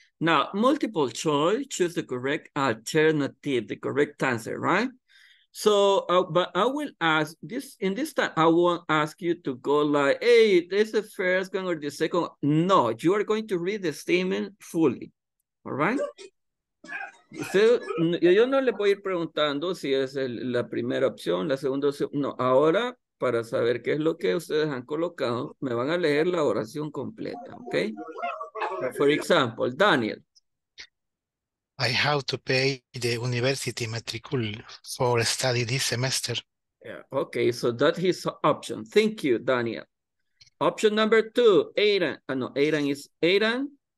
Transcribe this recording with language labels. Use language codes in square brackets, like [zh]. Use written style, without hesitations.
[en] Now, multiple choice, choose the correct alternative, the correct answer, right? So, but I will ask this, in this time, I won't ask you to go like, hey, this is the first one or the second. No, you are going to read the statement fully, all right? [es] So, yo no le voy a ir preguntando si es la primera opción, la segunda opción. No, ahora, para saber qué es lo que ustedes han colocado, me van a leer la oración completa, okay? [en] For example, Daniel. I have to pay the university matricule for study this semester. Yeah, okay, so that is option. Thank you, Daniel. Option number two, Aidan. Oh, no, Aidan is Aidan.